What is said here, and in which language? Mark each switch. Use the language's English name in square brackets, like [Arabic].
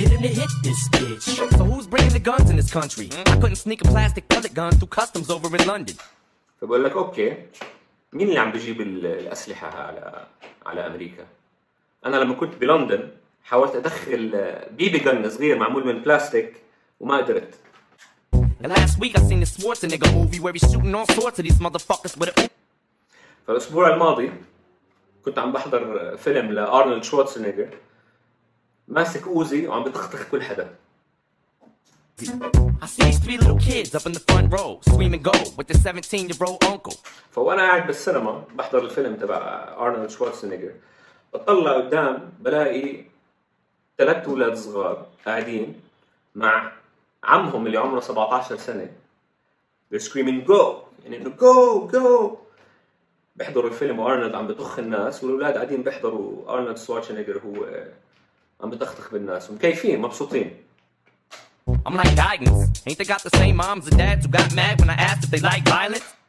[English] So who's bringing the guns in this country? I couldn't sneak a plastic pellet gun through customs over in London. [Arabic] فبقول لك اوكي، مين اللي عم بجيب الأسلحة على أمريكا؟ أنا لما كنت بلندن حاولت أدخل بيبي جن صغير معمول من بلاستيك وما قدرت. [English] Last week I seen the Schwarzenegger movie where he's shooting all sorts of these motherfuckers with a. [Arabic] فالأسبوع الماضي كنت عم بحضر فيلم لأرنولد شوارزنيجر ماسك أوزي وعم بتخطخ كل حدا. [English] I see these three little kids up in the front row screaming go with the 17-year-old uncle. [Arabic] فوأنا قاعد بالسينما بحضر الفيلم تبع أرنولد شوارزنيجر بطلع قدام بلاقي ثلاث أولاد صغار قاعدين مع عمهم اللي عمره 17 سنة. [English] They're screaming go [Arabic] يعني إنه [English] go go. [Arabic] بيحضروا الفيلم وأرنولد عم بيطخ الناس والأولاد قاعدين بيحضروا أرنولد شوارزنيجر هو عم بيطخطخ بالناس ومكيفين مبسوطين. [English] I'm like Diggins. Ain't they got the same moms and dads who got mad when I asked if they like violence?